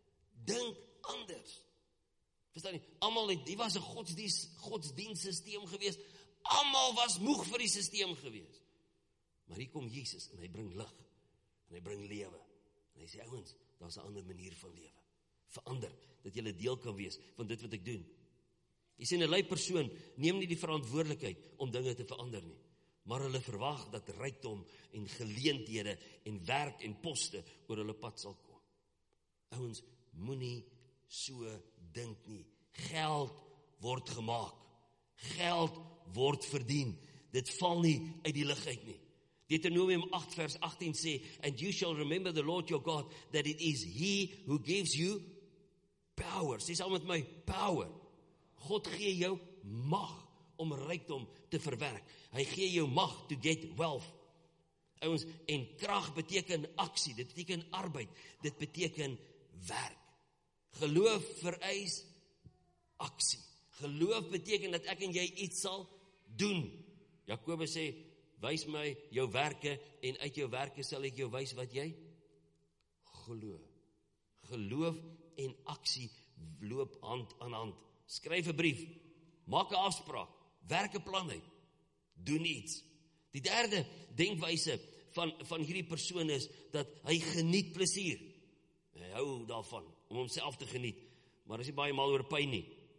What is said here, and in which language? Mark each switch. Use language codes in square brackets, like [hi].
[af] Dink anders. Verstaan jy? Almal het, die was 'n godsdienstsisteem gewees. Almal was moeg vir die sisteem gewees. Maar hier kom Jesus en hy bring lig. En hy bring lewe. En hy sê, ouens, daar's 'n ander manier van lewe. Verander, dat julle deel kan wees van dit wat ek doen. Jy sien, 'n lui persoon neem nie die verantwoordelikheid om dinge te verander nie, maar hulle verwag dat rykdom en geleenthede en werk en poste oor hulle pad sal kom. Ouens, moenie so dink nie. Geld word gemaak. Geld word verdien. Dit val nie uit die lug uit nie. Deuteronomium 8 vers 18 sê, [en] "And you shall remember the Lord your God, that it is He who gives you power." [af] Sê saam met my, power. God gee jou mag om rykdom te verwerk. Hy gee jou mag [en] to get wealth. [af] Ouens, en krag beteken aksie, dit beteken arbeid, dit beteken werk. Geloof vereis aksie. Geloof beteken dat ek en jy iets sal doen. Jakobus sê, wys my jou werke en uit jou werke sal ek jou wys wat jy glo. Geloof en aksie loop hand aan hand. Skryf 'n brief, maak 'n afspraak, werk 'n plan uit, doen iets. Die derde denkwyse van hierdie persoon is, dat hy geniet plesier. Hy hou daarvan, om homself te geniet, maar is nie baie mal oor pyn nie.